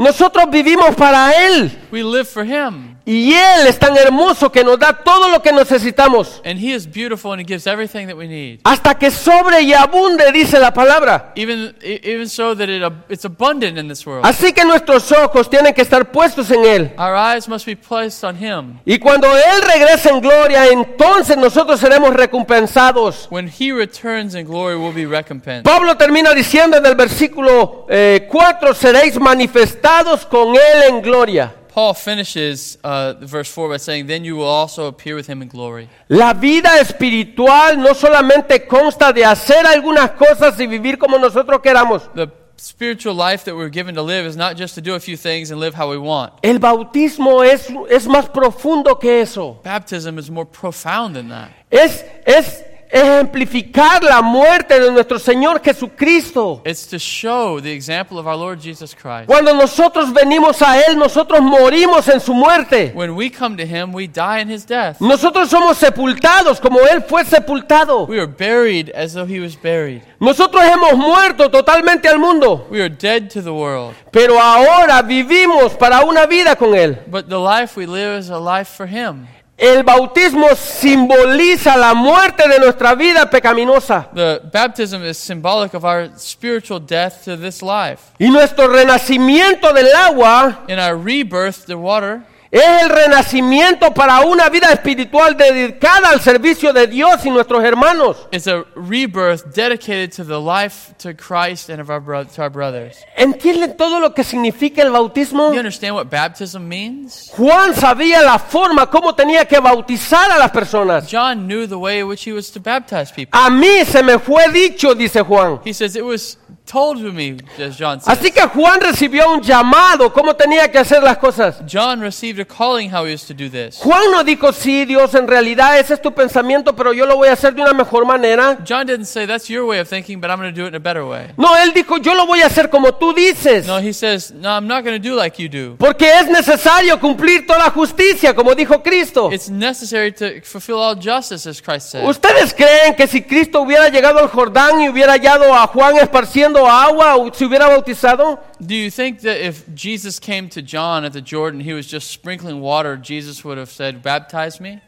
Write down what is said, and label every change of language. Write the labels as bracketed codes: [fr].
[es] Nosotros vivimos para Él. [en] We live for Him. [es] Y Él es tan hermoso que nos da todo lo que necesitamos. [en] And He is beautiful and He gives everything that we need. [es] Hasta que sobre y abunde, dice la palabra. [en] Even so that it's abundant in this world. [es] Así que nuestros ojos tienen que estar puestos en Él. [en] Our eyes must be placed on Him. [es] Y cuando Él regrese en gloria, entonces nosotros seremos recompensados. [en] When He returns in glory, we'll be recompensed. [es] Pablo termina diciendo en el versículo 4, seréis manifestados con Él en gloria. [en] Paul finishes verse 4 by saying, then you will also appear with him in glory. [es] La vida espiritual no solamente consta de hacer algunas cosas y vivir como nosotros queramos. [en] The spiritual life that we're given to live is not just to do a few things and live how we want. [es] El bautismo es más profundo que eso. [en] Baptism is more profound than that. [es] Es ejemplificar la muerte de nuestro Señor Jesucristo. [en] It's to show the example of our Lord Jesus Christ. [es] Cuando nosotros venimos a Él, nosotros morimos en su muerte. [en] When we come to Him, we die in His death. [es] Nosotros somos sepultados como Él fue sepultado. [en] We are buried as though He was buried. [es] Nosotros hemos muerto totalmente al mundo. [en] We are dead to the world. [es] Pero ahora vivimos para una vida con Él. [en] But the life we live is a life for Him. [es] El bautismo simboliza la muerte de nuestra vida pecaminosa. [en] The baptism is symbolic of our spiritual death to this life. [es] Y nuestro renacimiento del agua, [en] in our rebirth to water, [es] es el renacimiento para una vida espiritual dedicada al servicio de Dios y nuestros hermanos. [en] It's a rebirth dedicated to the life to Christ and to our brothers. [es] ¿Entienden todo lo que significa el bautismo? [en] You understand what baptism means? [es] Juan sabía la forma como tenía que bautizar a las personas. [en] John knew the way in which he was to baptize people. [es] A mí se me fue dicho, dice Juan. [en] He says it was told to me, as John says. [es] Así que Juan recibió un llamado, cómo tenía que hacer las cosas. [en] John received a calling how he was to do this. [es] Juan no dijo, sí, Dios, en realidad ese es tu pensamiento, pero yo lo voy a hacer de una mejor manera. [en] John didn't say, that's your way of thinking, but I'm going to do it in a better way. [es] No, él dijo, yo lo voy a hacer como tú dices. [en] No, he says, no, I'm not going to do like you do. [es] Porque es necesario cumplir toda justicia, como dijo Cristo. [en] It's necessary to fulfill all justice, as Christ said. [es] ¿Ustedes creen que si Cristo hubiera llegado al Jordán y hubiera hallado a Juan esparciendo agua, se hubiera bautizado? [en] Do you think that if Jesus came to John at the Jordan, he was just sprinkling water, Jesus would have said, baptize me?